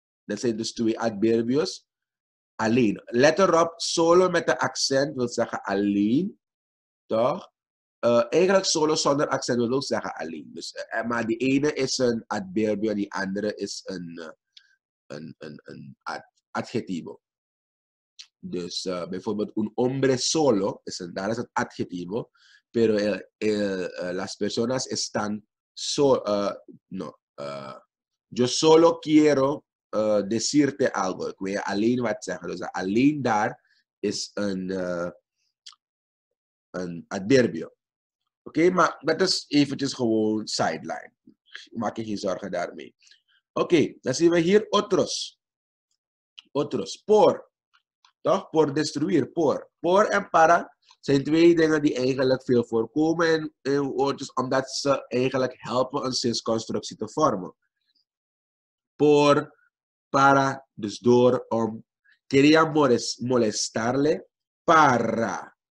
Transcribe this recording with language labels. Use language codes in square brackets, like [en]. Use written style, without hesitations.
[nl] Dat zijn dus twee adverbios. Alleen. Let erop, solo met de accent wil zeggen alleen. Toch? Eigenlijk solo zonder accent wil ook zeggen alleen. Dus, maar die ene is een adverbio en die andere is een adjetivo. Dus bijvoorbeeld [es] un hombre solo, [nl] daar is het adjetivo. [es] Pero las personas están solo. Yo solo quiero decirte algo. [nl] Ik wil alleen wat zeggen. Dus alleen daar is een adverbio. Oké, okay, maar dat is eventjes gewoon sideline. Maak je geen zorgen daarmee. Oké, okay, dan zien we hier otros. Otros, por. Toch? [es] Por destruir, por. [nl] Por en para zijn twee dingen die eigenlijk veel voorkomen in woordjes, omdat ze eigenlijk helpen een zinsconstructie te vormen. Por, para, dus door, om. [es] Quería molestarle, para.